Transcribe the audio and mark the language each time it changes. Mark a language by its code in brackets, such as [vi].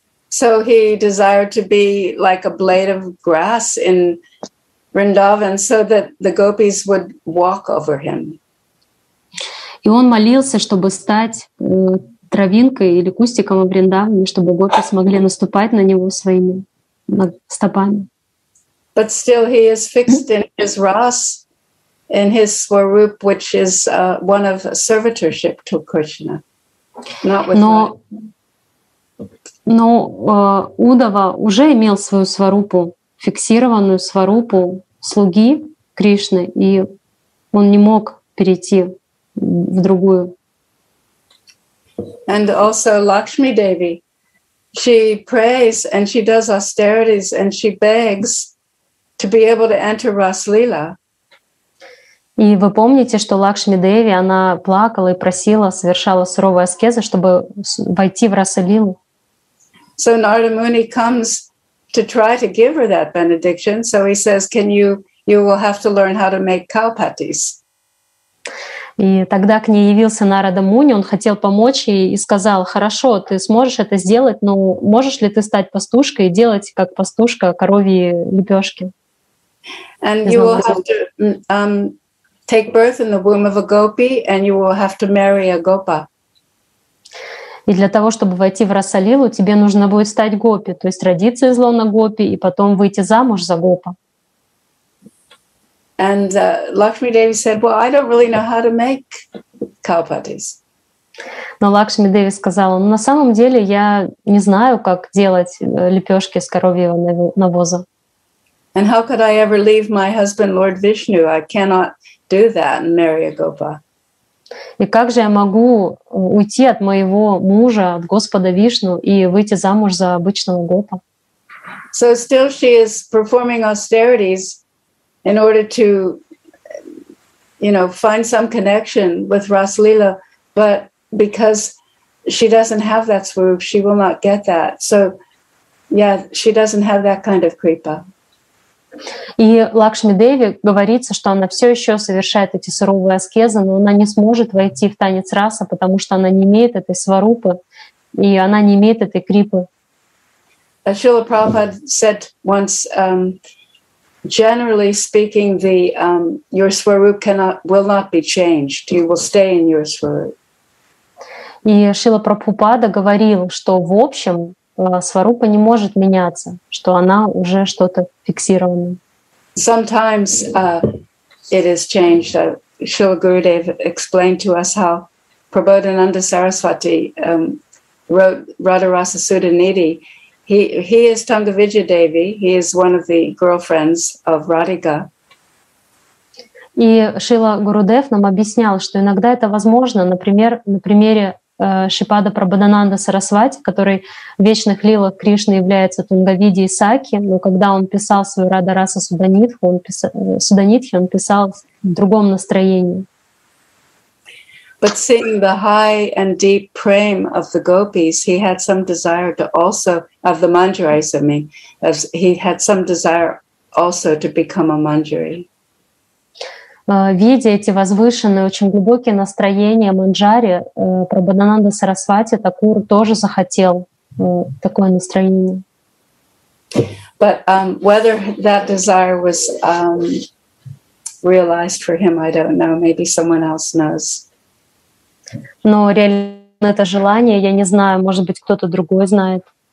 [en] So he desired to be like a blade of grass in Vrindavan so that the gopis would walk over him. [ru] И он молился, чтобы стать травинкой или кустиком в Вриндаване, чтобы гопи смогли наступать на него своими стопами. [en] But still he is fixed in his ras, in his swarup, which is one of servitorship to Krishna. [ru] Но Уддава уже имел свою сварупу, фиксированную сварупу слуги Кришны, и он не мог перейти в другую. [en] And also Lakshmi Devi, she prays and she does austerities and she begs to be able to enter Rasleela. [ru] И вы помните, что Лакшми Деви, она плакала и просила, совершала суровые аскезы, чтобы войти в Расалилу. [en] So Narada Muni comes to try to give her that benediction. So he says, "Can you? You will have to learn how to make cowpatties." [ru] И тогда к ней явился Нарада Муни. Он хотел помочь ей и сказал: "Хорошо, ты сможешь это сделать, но можешь ли ты стать пастушкой и делать как пастушка коровьи лепешки?" [en] And you will have to take birth in the womb of a gopi, and you will have to marry a gopa. [ru] И для того, чтобы войти в Расалилу, тебе нужно будет стать гопи, то есть родиться из лона гопи и потом выйти замуж за гопа. [en] And Lakshmi Devi said, well, I don't really know how to make cowpatties. [ru] Но Лакшми Деви сказала, на самом деле я не знаю, как делать лепёшки из коровьего навоза. [en] And how could I ever leave my husband, Lord Vishnu? I cannot do that and marry a gopa. [ru] И как же я могу уйти от моего мужа, от Господа Вишну, и выйти замуж за обычного гопа? [en] So still she is performing austerities in order to, you know, find some connection with Rasalila, but because she doesn't have that swarup, she will not get that. So, yeah, she doesn't have that kind of kripa. [ru] И Лакшми Деви говорится, что она все еще совершает эти суровые аскезы, но она не сможет войти в танец раса, потому что она не имеет этой сварупы, и она не имеет этой крипы. [en] Шрила Прабхупада said once, generally speaking, the your swarup will not be changed. You will stay in your swarup. [ru] И Шрила Прабхупада говорил, что в общем сварупа не может меняться, что она уже что-то фиксированное. [en] Sometimes it is changed. Шрила Гурудев explained to us how Prabodhananda Sarasvati wrote Radharasa Sutta Niti. He is Tungavija Devi. He is one of the girlfriends of Radhika. [ru] И Шрила Гурудев нам объяснял, что иногда это возможно, например, на примере Шипада Прабхадананда Сарасвати, который в вечных лилах Кришны является Тунгавиди и Саки, но когда он писал свою Радараса Суданитхи, он писал в другом настроении. [en] But seeing the high and deep prem of the gopis, he had some desire to also of the manjaris of me, as he had some desire also to become a manjari. [ru] Видя эти возвышенные, очень глубокие настроения манджари, Прабхадананда Сарасвати Такур тоже захотел такое настроение. [en] But whether that desire was realized for him, I don't know. Maybe someone else knows. [ru] Но реально это желание, я не знаю, может быть, кто-то другой знает.